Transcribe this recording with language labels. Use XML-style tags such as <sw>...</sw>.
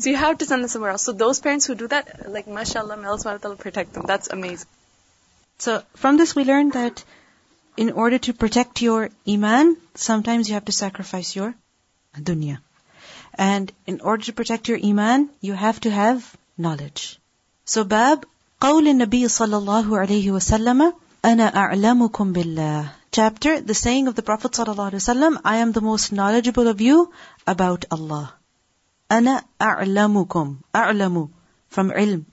<en>So you have to send them somewhere else. So those parents who do that, like, mashallah, may Allah SWT protect them. That's amazing. So from this we learned that in order to protect your iman, sometimes you have to sacrifice your dunya. And in order to protect your iman, you have to have knowledge.</en> <ar>So bab, قول النبي صلى الله عليه وسلم, أنا أعلمكم بالله.</ar> <en>Chapter, the saying of the Prophet</en> <ar>صلى الله عليه وسلم,</ar> <en>I am the most knowledgeable of you about Allah.</en> <ar>أنا أعلمكم, أعلم, from علم.</ar>